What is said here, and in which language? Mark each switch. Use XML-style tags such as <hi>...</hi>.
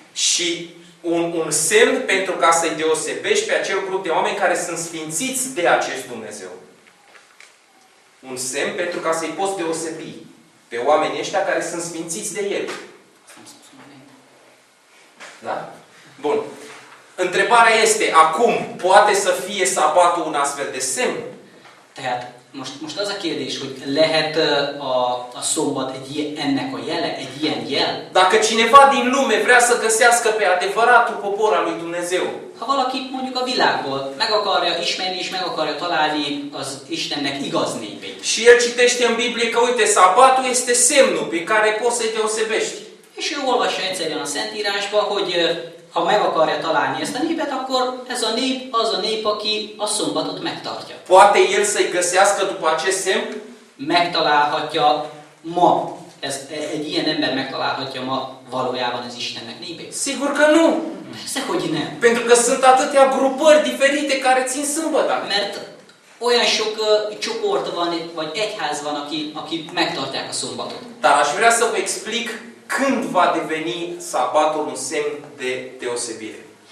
<ro>Și un semn pentru ca să-i deosebești pe acel grup de oameni care sunt sfințiți de acest Dumnezeu. Un semn pentru ca să-i poți deosebi pe oamenii ăștia care sunt sfințiți de El. Da? Bun. Întrebarea este, acum poate să fie sabatul un astfel de semn?</ro> <hu>Tehát, most az a kérdés, hogy lehet a szombat ennek a jele, egy ilyen jel?</hu> <ro>Dacă cineva din lume vrea să găsească pe adevăratul popor al lui Dumnezeu.</ro> <hu>Ha valaki mondjuk a világból meg akarja ismerni és meg akarja találni az Istennek igaz népét.</hu> <ro>Și el citește în Biblie că, uite, sabatul este semnul pe care poți să-i deosebești.</ro> <hu>És ő olvassa egyszerűen a Szentírásba, hogy ha meg akarja találni ezt a népet, akkor ez a nép az a nép, aki a szombatot megtartja.</hu> <ro>Poate el să-i găsească după acest semn?</ro> <hu>Megtalálhatja ma. Ez, egy ilyen ember megtalálhatja ma valójában az Istennek népét.</hu> <ro>Sigur că nu!</ro> <hu>Persze, hogy nem.</hu> <ro>Pentru că sunt atâtea grupări diferite care țin sâmbăta.</ro> <hu>Mert olyan sok csoport van, vagy egyház van, aki megtartják a szombatot.</hu> <ro>Dar aș vrea să vă explic când va deveni sabatul un semn de deosebire.</ro>